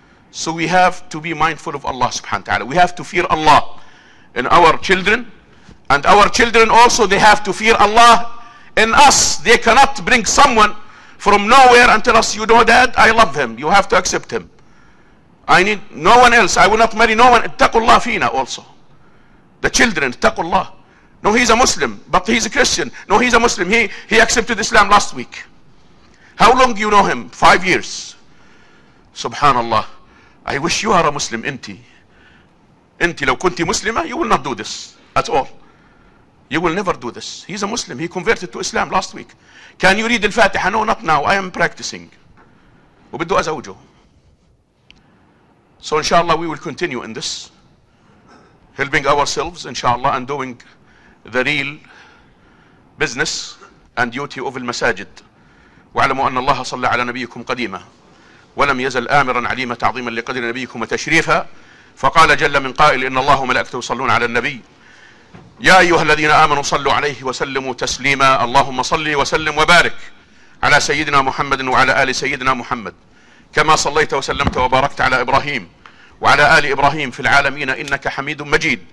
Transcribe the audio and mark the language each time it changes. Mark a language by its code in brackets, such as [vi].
[en] So we have to be mindful of Allah subhanahu wa ta'ala. We have to fear Allah in our children, and our children also, they have to fear Allah in us, they cannot bring someone from nowhere and tell us, you know that, I love him, you have to accept him. I need no one else, I will not marry no one. [ar] اتقوا الله فينا [en] also. The children, [ar] اتقوا الله. [en] No, he's a Muslim, but he's a Christian. No, he's a Muslim, he accepted Islam last week. How long you know him? 5 years. Subhanallah. I wish you are a Muslim, [ar] انتي. انتي لو كنتي مسلمة, [en] you will not do this at all. You will never do this. He's a Muslim. He converted to Islam last week. Can you read Al-Fatiha? No, not now. I am practicing. [ar] وبدو أزوجه. [en] So inshallah we will continue in this. Helping ourselves inshallah and doing the real business and duty of المساجد. [ar] واعلموا أن الله صلى على نبيكم قديما ولم يزل آمرا عليما تعظيما لقدر نبيكم وتشريفا. فقال جل من قائل إن الله وملائكته يصلون على النبي يا أيها الذين آمنوا صلوا عليه وسلموا تسليما. اللهم صل وسلم وبارك على سيدنا محمد وعلى آل سيدنا محمد كما صليت وسلمت وباركت على إبراهيم وعلى آل إبراهيم في العالمين إنك حميد مجيد.